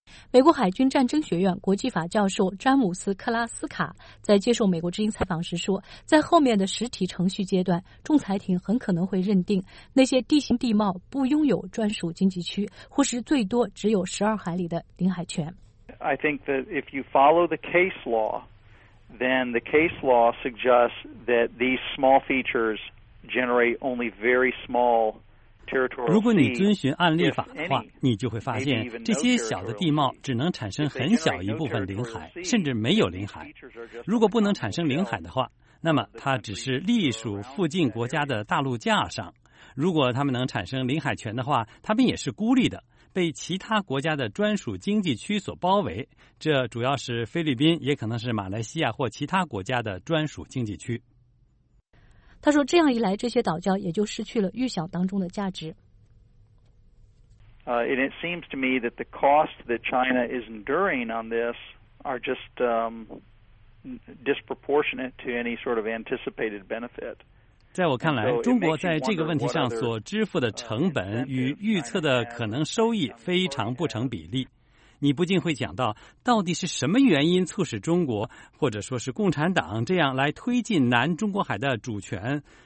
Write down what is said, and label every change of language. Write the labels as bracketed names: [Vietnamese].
[Chinese] 美国海军战争学院国际法教授詹姆斯·克拉斯卡在接受美国之音采访时说，在后面的实体程序阶段，仲裁庭很可能会认定那些地形地貌不拥有专属经济区，或是最多只有12海里的领海权。 [English] I think that if you follow the case law, then the case law suggests that these small features generate only very small territorial. [Chinese] 如果你遵循案例法的话，你就会发现这些小的地貌只能产生很小一部分领海，甚至没有领海。如果不能产生领海的话，那么它只是隶属附近国家的大陆架上。如果他们能产生领海权的话，他们也是孤立的，被其他国家的专属经济区所包围，这主要是菲律宾，也可能是马来西亚或其他国家的专属经济区。他说这样一来，这些岛礁也就失去了预想当中的价值。 [English] And it seems to me that the cost that China is enduring on this are just disproportionate to any sort of anticipated benefit. [Chinese] 在我看来，中国在这个问题上所支付的成本与预测的可能收益非常不成比例。你不禁会想到，到底是什么原因促使中国，或者说是共产党这样来推进南中国海的主权？